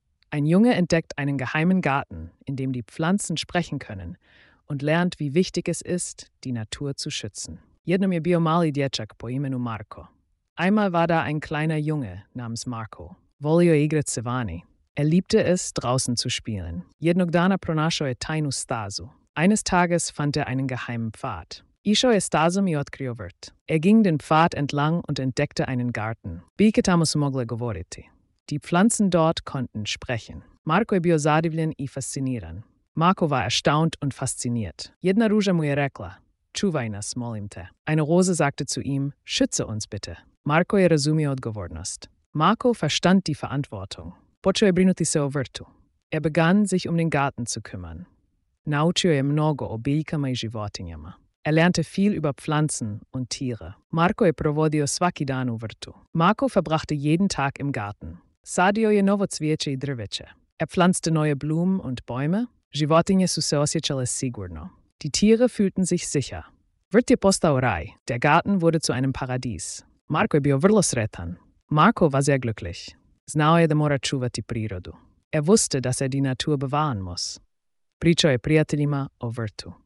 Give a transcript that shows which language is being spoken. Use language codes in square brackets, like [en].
[de] Ein Junge entdeckt einen geheimen Garten, in dem die Pflanzen sprechen können und lernt, wie wichtig es ist, die Natur zu schützen. [hr] Jednom je bio mali dječak po imenu Marko. [de] Einmal war da ein kleiner Junge namens Marko. [hr] Volio igrat se vani. [de] Er liebte es, draußen zu spielen. [hr] Jednog dana pronašao je tajnu stazu. [de] Eines Tages fand er einen geheimen Pfad. [hr] Išao je stazom i otkrio vrt. [de] Er ging den Pfad entlang und entdeckte einen Garten. [hr] Biljke tamo su mogle govoriti. [de] Die Pflanzen dort konnten sprechen. [hr] Marko je bio zadivljen i fasciniran. [de] Marko war erstaunt und fasziniert. [hr] Jedna ruža mu je rekla, čuvaj nas, molim te. [de] Eine Rose sagte zu ihm, schütze uns bitte. [hr] Marko je razumio odgovornost. [de] Marko verstand die Verantwortung. [hr] Počeo je brinuti se o vrtu. [de] Er begann, sich um den Garten zu kümmern. [hr] Naučio je mnogo o biljkama i životinjama. [de] Er lernte viel über Pflanzen und Tiere. [hr] Marko je provodio svaki dan u vrtu. [de] Marko verbrachte jeden Tag im Garten. [hr] Sadio je novo cvijeće i drveće. [de] Er pflanzte neue Blumen und Bäume. [hr] Životinje su se osjećale sigurno. [de] Die Tiere fühlten sich sicher. [hr] Vrt je postao raj. [de] Der Garten wurde zu einem Paradies. [hr] Marko je bio vrlo sretan. [de] Marko war sehr glücklich. [hr] Znao je da mora čuvati prirodu. [de] Er wusste, dass er die Natur bewahren muss. [hr] Pričao je prijateljima o vrtu.